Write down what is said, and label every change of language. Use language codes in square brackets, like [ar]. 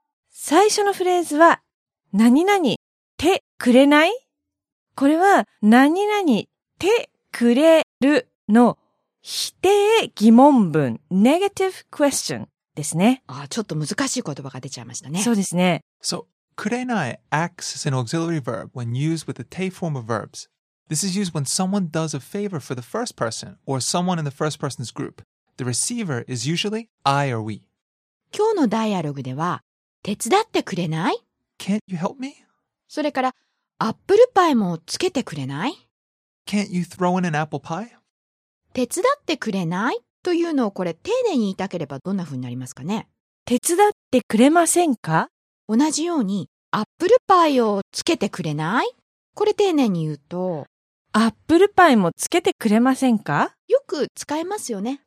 [ja] 最初のフレーズは何々てくれない。これは何々てくれるの否定疑問文、 [en] negative question [ja] ですね。ああ、ちょっと難しい言葉が出ちゃいましたね。そうですね。 [en] So, くれない acts as an auxiliary verb when used with the te form of verbs. This is used when someone does a favor for the first person or someone in the first person's group. The receiver is usually I or we. [ja] 今日のダイアログでは、手伝ってくれない? [en] Can't you help me? [ja] それから、アップルパイもつけてくれない? [en] Can't you throw in an apple pie? [ja] 手伝ってくれない? というのをこれ丁寧に言いたければどんな風になりますかね。手伝ってくれませんか。同じようにアップルパイをつけてくれない。これ丁寧に言うとアップルパイもつけてくれませんか。よく使えますよね。